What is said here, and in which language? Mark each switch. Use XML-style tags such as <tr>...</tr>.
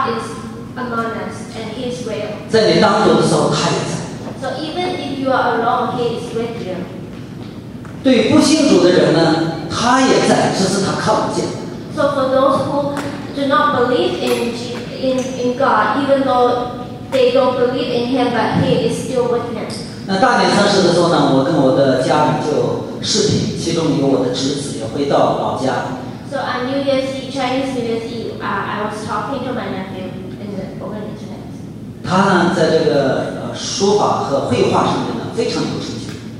<en>So I need to tell you again that God is among us and He is real.</en> <zh>在你当中的时候，他也在。</zh> <en>So even if you are alone, He is with you.</en> <zh>对不信主的人呢，他也在，只是他看不见。</zh> <en>So for those who do not believe in God, even though they don't believe in Him, but He is still with them.</en> <zh>那大年三十的时候呢，我跟我的家人就视频，其中有我的侄子也回到老家。</zh> <en>So on New Year's Eve, Chinese New Year's Eve, I was talking to my nephew in the open internet.</en> <zh>他呢，在这个书法和绘画上面呢，非常有成就。</zh>